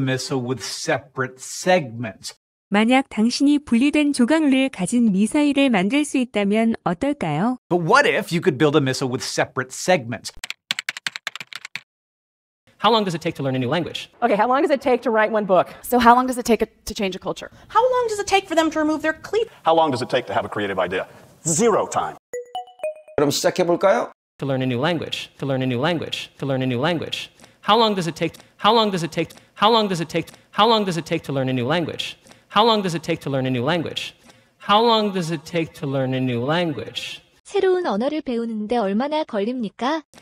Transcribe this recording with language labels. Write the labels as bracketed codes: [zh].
[en] But what if we could build a missile with separate segments? [ko] 만약 당신이 분리된 조각류를 가진 미사일을 만들 수 있다면 어떨까요? [en] But what if you could build a missile with separate segments? How long does it take to learn a new language? Okay, how long does it take to write one book? So how long does it take to change a culture? How long does it take for them to remove their cleats? How long does it take to have a creative idea? Zero time. [ko] 그럼 시작해볼까요? [en] To learn a new language. How long does it take to... How long does it take to learn a new language? [ko] 새로운 언어를 배우는데 얼마나 걸립니까?